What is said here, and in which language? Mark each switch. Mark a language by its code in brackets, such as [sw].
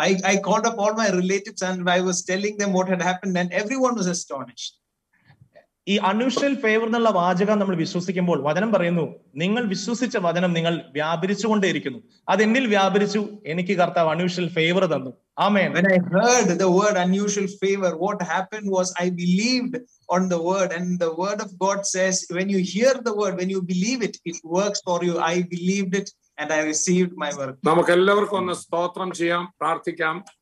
[en] I called up all my relatives and I was telling them what had happened and everyone was astonished. [ml] ഈ unusual favour എന്നുള്ള വാചകം നമ്മൾ വിശ്വസിക്കുമ്പോൾ വചനം പറയുന്നു, നിങ്ങൾ വിശ്വസിച്ച വചനം നിങ്ങൾ വ്യാപരിച്ചുകൊണ്ടേയിരിക്കുന്നു. അത് എന്നിൽ വ്യാപരിച്ചു, എനിക്ക് കർത്താവ് അൺയൂഷ്വൽ ഫേവർ തന്നു. ആമേൻ. [en] When I heard the word unusual favor, what happened was I believed on the word and the word of God says when you hear the word, when you believe it, it works for you. I believed it and I received my work. [ml] നമുക്ക് എല്ലാവർക്കും ഒന്ന് സ്തോത്രം ചെയ്യാം, പ്രാർത്ഥിക്കാം.